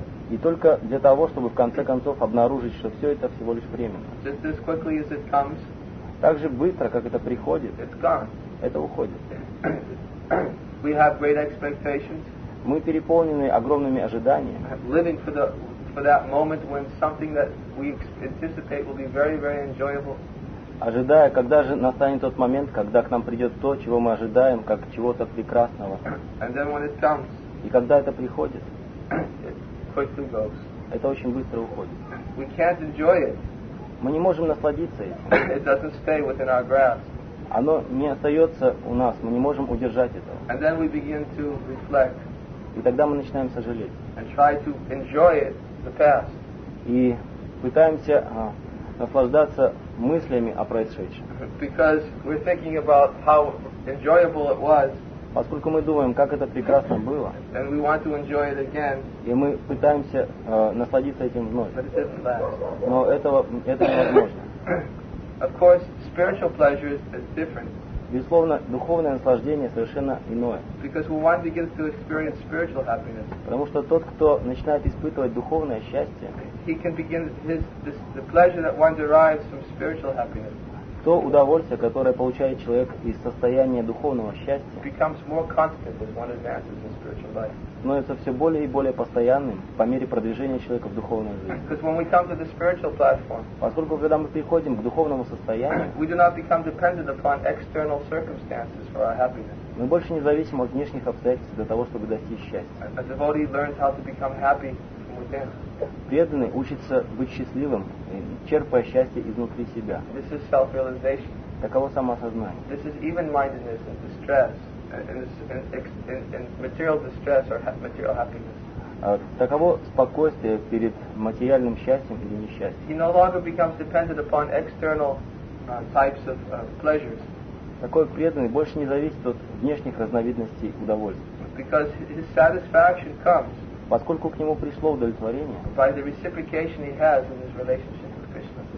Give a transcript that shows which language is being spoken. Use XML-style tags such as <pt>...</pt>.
<ru>И только для того, чтобы в конце концов обнаружить, что все это всего лишь временно. Так же быстро, как это приходит, это уходит.</ru> <en>We have great expectations.</en> <ru>Мы переполнены огромными ожиданиями.</ru> <en>Living for that moment when something that we anticipate will be very, very enjoyable.</en> <ru>Ожидая, когда же настанет тот момент, когда к нам придет то, чего мы ожидаем, как чего-то прекрасного.</ru> <en>And then when it comes.</en> <ru>И когда это приходит,</ru> <en>it quickly goes.</en> <ru>Это очень быстро уходит.</ru> <en>We can't enjoy it.</en> <ru>Мы не можем насладиться этим.</ru> <en>It doesn't stay within our grasp.</en> <ru>Оно не остается у нас, мы не можем удержать этого.</ru> <en>And then we begin to reflect.</en> <ru>И тогда мы начинаем сожалеть.</ru> <en>And try to enjoy it, the past.</en> <ru>И пытаемся наслаждаться мыслями о происшедшем.</ru> <en>Because we're thinking about how enjoyable it was.</en> <ru>Поскольку мы думаем, как это прекрасно было.</ru> <en>And we want to enjoy it again.</en> <ru>И мы пытаемся насладиться этим вновь.</ru> <en>But it didn't last.</en> <ru>Но это невозможно.</ru> <en>Of course, spiritual pleasure is different.</en> <ru>Безусловно, духовное наслаждение совершенно иное.</ru> <en>Because when one begins to experience spiritual happiness,</en> <ru>потому что тот, кто начинает испытывать духовное счастье,</ru> <en>he can begin the pleasure that one derives from spiritual happiness.</en> <ru>То удовольствие, которое получает человек из состояния духовного счастья,</ru> <en>becomes more constant as one advances in spiritual life.</en> <ru>Становится все более и более постоянным по мере продвижения человека в духовную жизнь. Поскольку когда мы приходим к духовному состоянию, мы больше не зависим от внешних обстоятельств для того, чтобы достичь счастья. Преданный учится быть счастливым, черпая счастье изнутри себя.</ru> <en>This is self-realization.</en> <ru>Таково самоосознание.</ru> <en>This is even-mindedness and distress. In material distress or material happiness.</en> <ru>Таково спокойствие перед материальным счастьем или несчастьем.</ru> <en>He no longer becomes dependent upon external types of pleasures.</en> <ru>Такой преданный больше не зависит от внешних разновидностей удовольствия.</ru> <en>Because his satisfaction comes.</en> <ru>Поскольку к нему пришло удовлетворение.</ru> <en>By the reciprocation he has in his relationship with Krishna.</en>